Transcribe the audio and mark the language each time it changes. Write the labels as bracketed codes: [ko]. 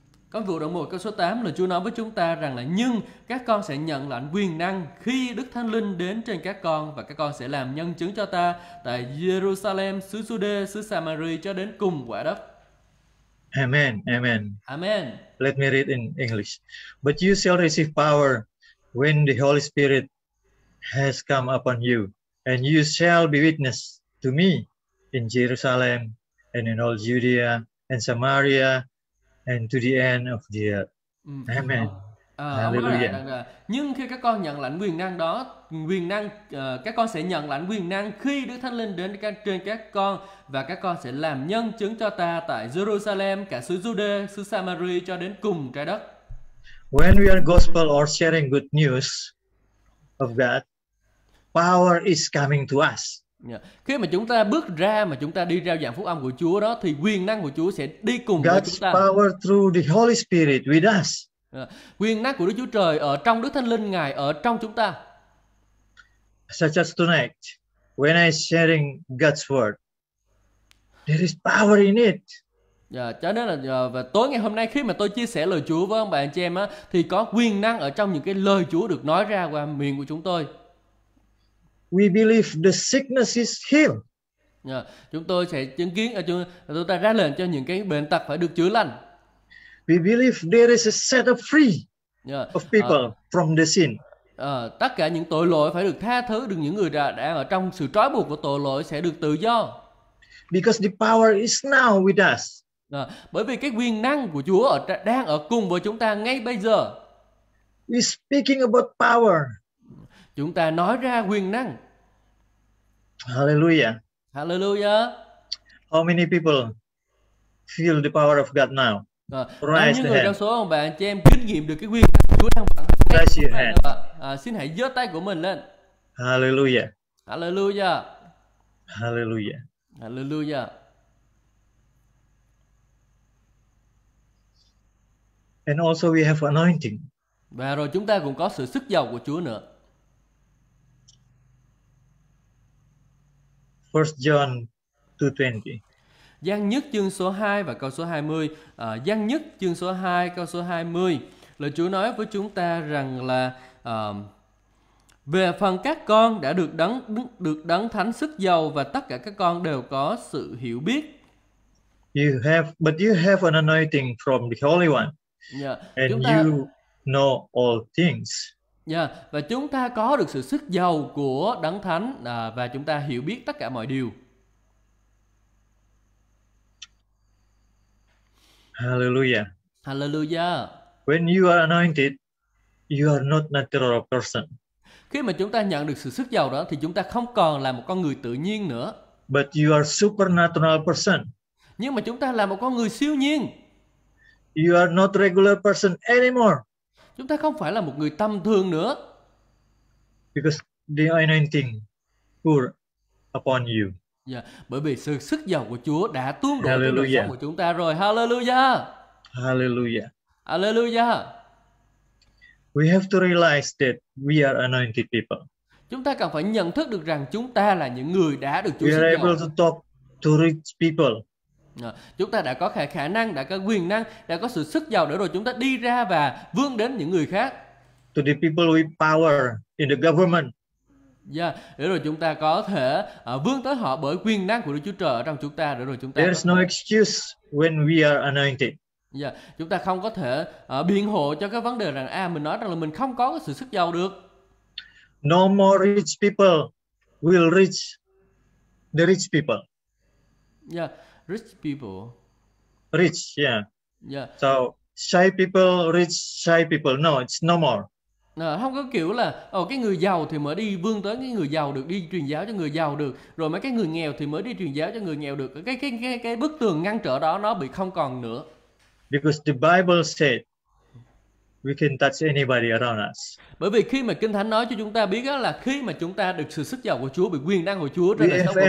[vi] Công vụ đoạn 1 câu số 8 là Chúa nói với chúng ta rằng là nhưng các con sẽ nhận lãnh quyền năng khi Đức Thánh Linh đến trên các con, và các con sẽ làm nhân chứng cho ta tại Jerusalem, xứ Giu-đê, xứ Samari cho đến cùng quả đất. Amen, amen. Amen. [en] Let me read in English. But you shall receive power when the Holy Spirit has come upon you, and you shall be witness to me in Jerusalem and in all Judea and Samaria and to the end of the earth. Amen. Hallelujah. [vi] Nhưng khi các con nhận lãnh quyền năng đó, quyền năng các con sẽ nhận lãnh quyền năng khi Đức Thánh Linh đến trên các con, và các con sẽ làm nhân chứng cho ta tại Jerusalem, cả xứ Giu-đê, xứ Samaria cho đến cùng trái đất. [en] When we are gospel or sharing good news of God, power is coming to us. Yeah. [vi] Khi mà chúng ta bước ra mà chúng ta đi rao giảng phúc âm của Chúa đó thì quyền năng của Chúa sẽ đi cùng [en] God's [vi] với chúng ta. [en] God's power through the Holy Spirit with us. Yeah. [vi] Quyền năng của Đức Chúa Trời ở trong Đức Thánh Linh Ngài ở trong chúng ta. [en] Such as tonight, when I sharing God's word, there is power in it. [vi] Yeah, cho nên là và tối ngày hôm nay khi mà tôi chia sẻ lời Chúa với ông bà anh chị em á, thì có quyền năng ở trong những cái lời Chúa được nói ra qua miệng của chúng tôi. [en] We believe the sickness is healed. [vi] Yeah, chúng tôi sẽ chứng kiến chúng ta ra lệnh cho những cái bệnh tật phải được chữa lành. [en] We believe there is a set of free of people from the sin. [vi] Tất cả những tội lỗi phải được tha thứ, được những người đã ở trong sự trói buộc của tội lỗi sẽ được tự do. [en] Because the power is now with us. [vi] Bởi vì cái quyền năng của Chúa đang ở cùng với chúng ta ngay bây giờ. [en] We speaking about power. [vi] Chúng ta nói ra quyền năng. Hallelujah. Hallelujah. [en] How many people feel the power of God now? Raise your hand. [vi] Bao nhiêu người trong số bạn cho em kinh nghiệm được cái quyền năng của Chúa đang vận [en] hành? Raise your hand. [vi] Xin hãy giơ tay của mình lên. Hallelujah. Hallelujah. Hallelujah. Hallelujah. [en] And also we have anointing. [vi] Và rồi chúng ta cũng có sự sức dầu của Chúa nữa. [en] 1 John 2:20. [vi] Giăng nhất chương số 2 và câu số 20. Giăng nhất chương số 2 câu số 20. Lời Chúa nói với chúng ta rằng là về phần các con đã được đấng thánh sức dầu và tất cả các con đều có sự hiểu biết. [en] But you have an anointing from the Holy One. Yeah. And [vi] chúng ta, [en] you know all things. Yeah. [vi] Và chúng ta có được sự sức dầu của Đấng Thánh và chúng ta hiểu biết tất cả mọi điều. Hallelujah. Hallelujah. [en] When you are anointed, you are not natural person. [vi] Khi mà chúng ta nhận được sự sức dầu đó thì chúng ta không còn là một con người tự nhiên nữa. [en] But you are supernatural person. [vi] Nhưng mà chúng ta là một con người siêu nhiên. [en] You are not regular person anymore. [vi] Chúng ta không phải là một người tầm thường nữa. [en] Because the anointing poured upon you. Yeah. [vi] Bởi vì sự sức dầu của Chúa đã tuôn đổ trên đời sống của chúng ta rồi. Hallelujah. Hallelujah. Hallelujah. [en] We have to realize that we are anointed people. [vi] Chúng ta cần phải nhận thức được rằng chúng ta là những người đã được Chúa sức dầu. [en] We are able to talk to rich people. [vi] Chúng ta đã có khả năng, đã có quyền năng, đã có sự sức dầu để rồi chúng ta đi ra và vươn đến những người khác. [en] To the people with power in the government. [vi] Yeah, để rồi chúng ta có thể vươn tới họ bởi quyền năng của Đức Chúa Trời ở trong chúng ta để rồi chúng ta. [en] There is no excuse when we are anointed. [vi] Yeah, chúng ta không có thể biện hộ cho cái vấn đề rằng mình nói rằng là mình không có cái sự sức dầu được. [en] No more rich people will reach the rich people. Yeah. Rich people. Rich, yeah. Yeah. So, shy people, rich, shy people. No, it's no more. [vi] Không có kiểu là cái người giàu thì mới đi vươn tới cái người giàu được, đi truyền giáo cho người giàu được. Rồi mấy cái người nghèo thì mới đi truyền giáo cho người nghèo được. Cái bức tường ngăn trở đó nó bị không còn nữa. [en] Because the Bible said we can touch anybody around us. [vi] Bởi vì khi mà Kinh Thánh nói cho chúng ta biết là khi mà chúng ta được sự sức dầu của Chúa, bị quyền năng của Chúa trên đời sống của mình.